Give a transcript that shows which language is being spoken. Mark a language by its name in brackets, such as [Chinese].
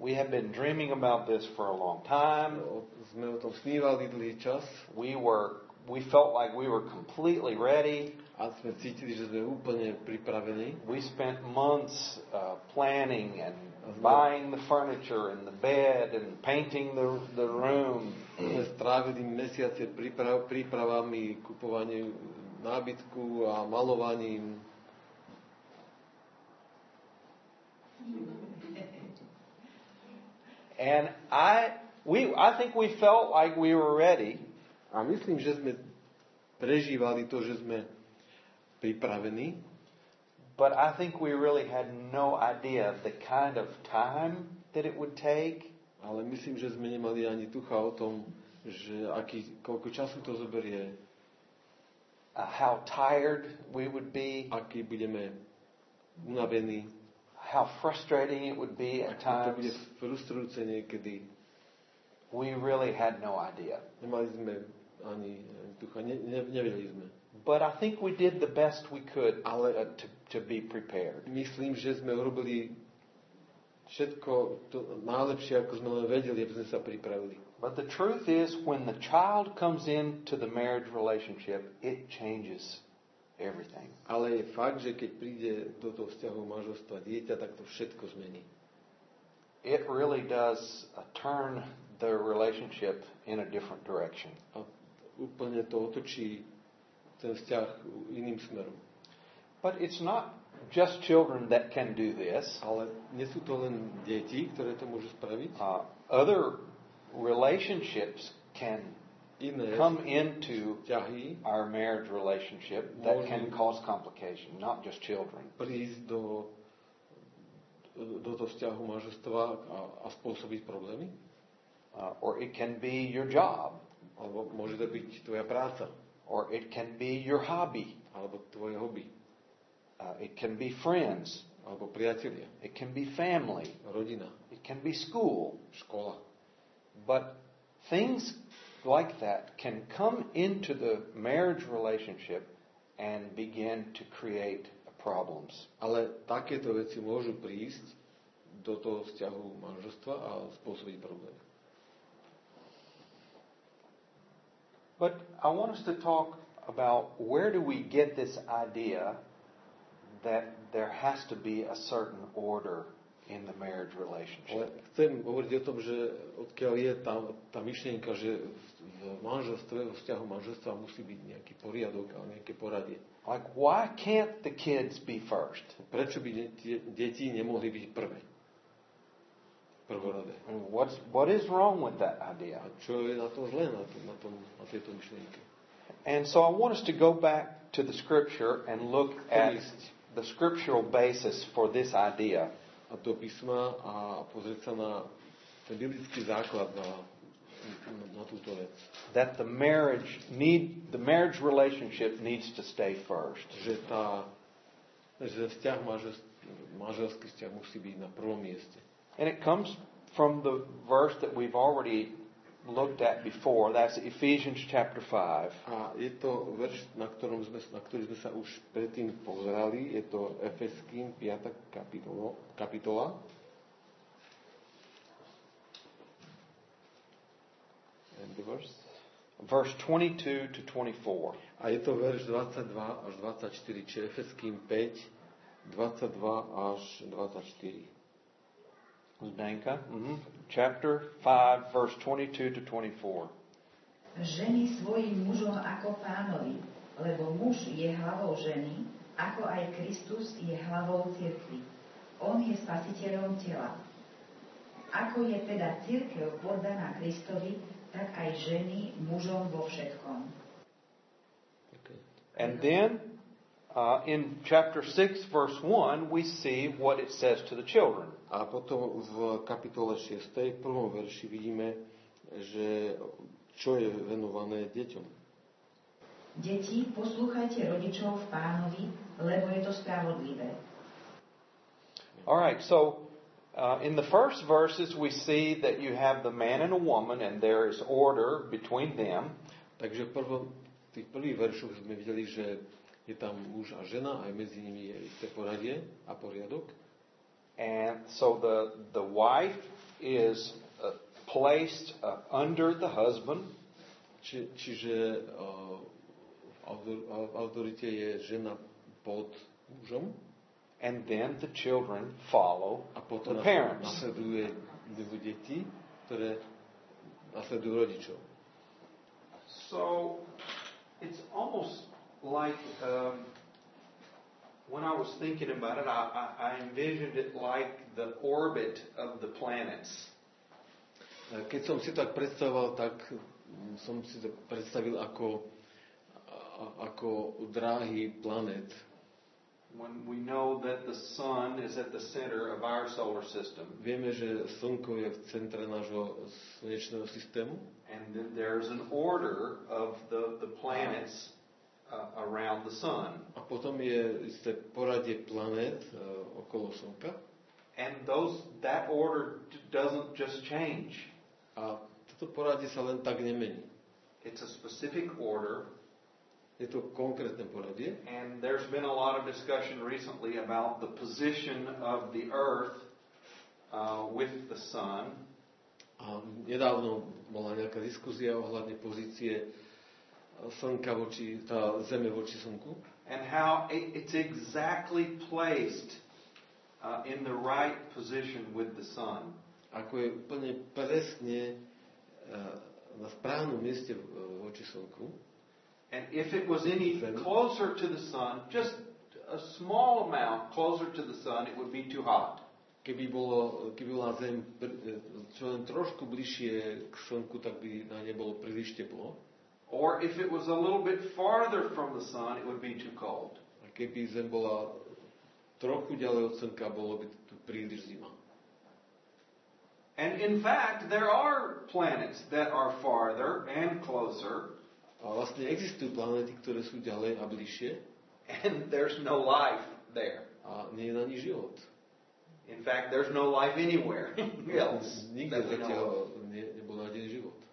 [English] We have been dreaming about this for a long time. [Slovak] Sme o tom snívali dlhý čas. [English] We felt like we were completely ready. [Slovak] A sme cítili, že sme úplne pripravení. [English] We spent months planning and buying the furniture and the bed and painting the room. [Slovak] Sme strávili mesiace prípravami, kupovaním nábytku a malovaním. [English] And I think we felt like we were ready. [Slovak] A myslím, že sme prežívali to, že sme pripravení. [English] But I think we really had no idea of the kind of time that it would take. [Slovak] Ale myslím, že sme nemali ani tucha o tom, že koľko času to zoberie. [English] How tired we would be. [Slovak] Aký budeme unavení. [English] How frustrating it would be at times. [Slovak] To bude frustrujúce niekedy. [English] We really had no idea. [Slovak] Nemali sme ani tucha, nevedeli sme. [English] But I think we did the best we could to be prepared. [Slovak] Myslím, že sme urobili všetko to najlepšie, ako sme len vedeli, aby sme sa pripravili. [English] But the truth is, when the child comes into the marriage relationship, it changes everything. [Slovak] Ale je fakt, že keď príde do toho vzťahu manželstva dieťa, tak to všetko zmení. [English] It really does turn the relationship in a different direction. [Slovak] A úplne to otočí ten vzťah iným smerom. [English] But it's not just children that can do this. [Slovak] Ale nie sú to len deti, ktoré to môžu spraviť. [English] Other relationships can [Slovak] iné [English] come into our marriage relationship that can cause complication, not just children. [Slovak] Prísť do toho vzťahu manželstva a spôsobiť problémy. [English] Or it can be your job. [Slovak] Alebo môže to byť tvoja práca. [English] Or it can be your hobby. [Slovak] Alebo tvoje hobby. [English] It can be friends. [Slovak] Alebo priatelia. [English] It can be family. [Slovak] Rodina. [English] It can be school. [Slovak] Škola. [English] But things like that can come into the marriage relationship and begin to create problems. [Slovak] Ale takéto veci môžu prísť do toho vzťahu manželstva a spôsobiť problémy. [English] But I want us to talk about where do we get this idea that there has to be a certain order in the marriage relationship. [Slovak] Ale chcem hovoriť o tom, že odkiaľ je tá myšlienka, že v manželstve, vo vzťahu manželstva musí byť nejaký poriadok a nejaké poradie. [English] Like, why can't the kids be first? [Slovak] Prečo by deti nemohli byť prvé? Prvorade. [English] What is wrong with that idea? [Slovak] A čo je na tom zlé, na tejto myšlienke? [English] And so I want us to go back to the scripture and look at the scriptural basis for this idea. [Slovak] A to písma a pozrieť sa na ten biblický základ na túto vec. [English] That the marriage relationship needs to stay first. [Slovak] Že vzťah manželský vzťah musí byť na prvom mieste. [English] And it comes from the verse that we've already looked at before. That's Ephesians chapter 5. [Slovak] A je to verš, na ktorý sme sa už predtým pozerali. Je to Efeským 5. kapitola. [English] And the verse 22-24. [Slovak] A je to verš 22-24, čiže Efeským 5, 22-24. [English] Zdenka. Mm-hmm. Chapter 5, verse 22-24. [Slovak] Ženy svojim mužom ako pánovi, lebo muž je hlavou ženy, ako aj Kristus je hlavou cirkvi. On je spasiteľom tela. Ako je teda cirkev poddaná Kristovi, tak aj ženy mužom vo všetkom. [English] Okay. And then in chapter 6, verse 1, we see what it says to the children. [Slovak] A potom v kapitole 6, prvom verši vidíme, že čo je venované deťom. Deti, poslúchajte rodičov v Pánovi, lebo je to spravodlivé. [English] All right, so In the first verses we see that you have the man and a woman and there is order between them. [Slovak] Takže v tých prvých veršoch sme videli, že je tam muž a žena a medzi nimi je isté poradie a poriadok. [English] And so the wife is placed under the husband. [Slovak] Čiže v autorite je žena pod mužom. [English] And then the children follow the parents. [Slovak] Nasleduje dvú deti, ktoré nasledujú rodičov. [English] So it's almost like when I was thinking about it, I envisioned it like the orbit of the planets. [Slovak] Keď som si tak predstavoval, tak som si to predstavil ako dráhy planet. [English] When we know that the sun is at the center of our solar system. [Slovak] Vieme, že slnko je v centre nášho slnečného systému. [English] And then there's an order of the planets around the sun. [Slovak] A potom je isté poradie planet okolo slnka. [English] And those that order doesn't just change. [Slovak] A toto poradie sa len tak nemení. [English] It's a specific order. [Slovak] Je to konkrétne poradie. [English] And there's been a lot of discussion recently about the position of the earth with the sun. [Slovak] A nedávno bola nejaká diskusia ohľadne pozície slnka voči tá zeme voči slnku. [English] And how it's exactly placed in the right position with the sun. [Slovak] Ako je úplne presne na správnom mieste voči slnku. [English] And if it was any closer to the sun, just a small amount closer to the sun, it would be too hot. [Slovak] Keby bola zem čo len trošku bližšie k slnku, tak by na nej bolo príliš teplo. [English] Or if it was a little bit farther from the sun, it would be too cold. [Slovak] A keby zem bola trochu ďalej od slnka, bolo by to príliš zima. [English] And in fact, there are planets that are farther and closer. [Slovak] A vlastne existujú planéty, ktoré sú ďalej a bližšie. [English] And there's no life there. [Slovak] A nie je na nich život. [English] In fact, there's no life anywhere else. [Slovak] Nikde zatiaľ nebol nájdený život.